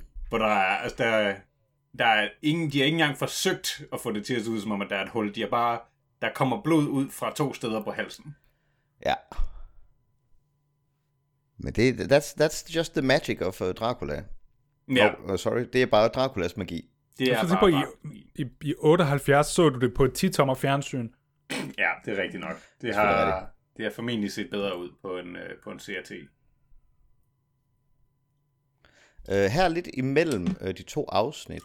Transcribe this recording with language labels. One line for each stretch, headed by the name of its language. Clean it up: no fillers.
Danish: For der er ingen, de har ikke engang forsøgt at få det til at se ud som om, at der er et hul. De er bare, der kommer blod ud fra to steder på halsen. Ja. Men det
English: that's just the magic of Dracula.
Danish: Ja. Sorry, det er bare Draculas magi. Det er bare på, i 78 så du det på et 10-tommer fjernsyn. Ja, det er rigtigt nok. Det har det har formentlig set bedre ud på en CRT. Her lidt imellem de to afsnit.